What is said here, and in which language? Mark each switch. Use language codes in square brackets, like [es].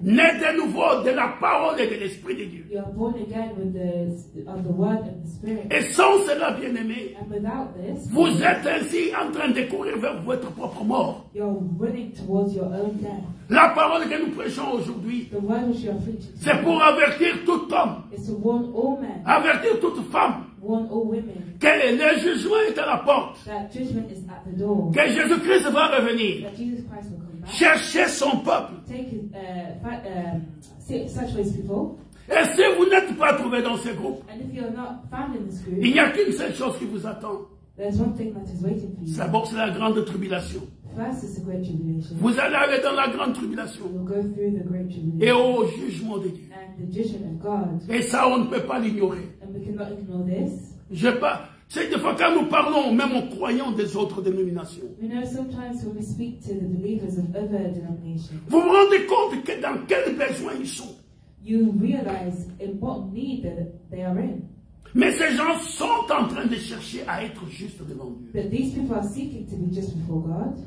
[fr] Né de nouveau de la parole et de l'Esprit de Dieu. [en] You are born again with the word and the Spirit. [fr] Et sans cela, bien-aimé, [en] and without this, [fr] vous êtes ainsi en train de courir vers votre propre mort. [en] You are running towards your own death. [fr] La parole que nous prêchons aujourd'hui, c'est pour avertir tout homme, [en] it's to warn all men, [fr] avertir toute femme, [en] warn all women, [fr] que le jugement est à la porte, [en] that judgment is at the door, [fr] que Jésus-Christ va revenir, [en] that Jesus Christ will come back, [fr] chercher son peuple. [en] Take such ways before. [fr] Et si vous n'êtes pas trouvé dans ce groupe, [en] and if you're not found in this group, [fr] il n'y a qu'une seule chose qui vous attend. [en] There's one thing that is waiting for you. [fr] D'abord, c'est la grande tribulation. [en] First is the great tribulation. [fr] Vous allez aller dans la grande tribulation. [en] You'll go through the great tribulation. [fr] Et au jugement de Dieu. [en] And the judgment of God. [fr] Et ça, on ne peut pas l'ignorer. [en] And we cannot ignore this. [fr] Je pas. C'est des fois quand nous parlons, même en croyant des autres dénominations. [en] You know, sometimes when we speak to the believers of other denominations. [fr] Vous vous rendez compte que dans quel besoin ils sont. [en] You realize in what need they are in. [fr] Mais ces gens sont en train de chercher à être juste devant Dieu. [en] But these people are seeking to be just before God.